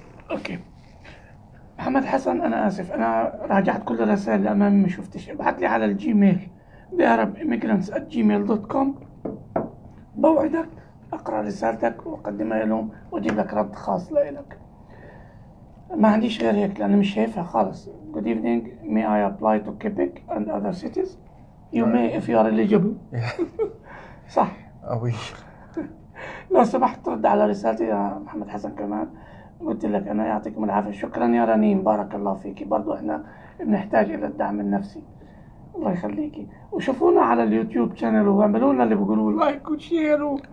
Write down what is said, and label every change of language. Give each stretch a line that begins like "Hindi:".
Arabic: أوكي محمد حسن، أنا آسف، أنا راجعت كل الرسائل الأمام ما شفتش، ابعت لي على الجيميل theArabimmigrants@gmail.com. بوعدك أقرأ رسالتك وأقدمها لهم وأجيب لك رد خاص لإلك. ما عنديش غير هيك لأنه مش شايفها خالص.
English: Good evening. May I apply to Quebec and other cities? You may if you are eligible.
Arabic: صح. أوي. لو سمحت ترد على رسالتي يا محمد حسن كمان. قلت لك أنا، يعطيكم العافية. شكرا يا رنين، بارك الله فيك. برضو إحنا بنحتاج إلى الدعم النفسي. الله يخليكي. وشوفونا على اليوتيوب شانل وعملونا اللي بيقولوا لايك وشير.